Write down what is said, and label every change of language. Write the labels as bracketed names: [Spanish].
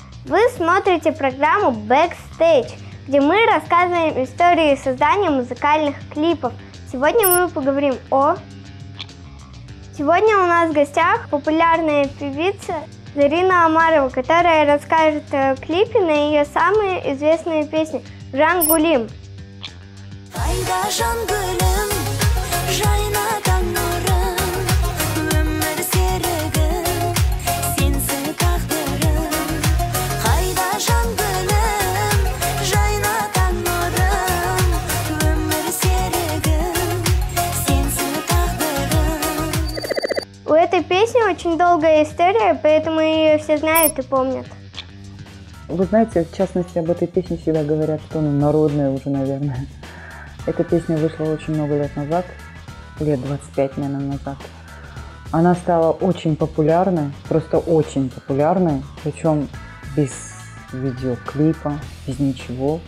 [Russian] Вы смотрите программу «Бэкстейдж», где мы рассказываем истории создания музыкальных клипов. Сегодня мы поговорим о... Сегодня у нас в гостях популярная певица Зарина Омарова, которая расскажет о клипе на ее самые известные песни «Жангулим». [Kazakh] Айда жангулим, жайна там нурым, өмір серігім, сенсің тақтырым. Айда жангулим, жайна там нурым, өмір серігім, сенсің тақтырым. [Russian] У этой песни очень долгая история, поэтому ее все знают и помнят. Вы знаете, в частности, об этой песне всегда говорят, что она народная уже, наверное. Эта песня вышла очень много лет назад, лет 25, наверное, назад. Она стала очень популярной, просто очень популярной, причем без видеоклипа, без ничего.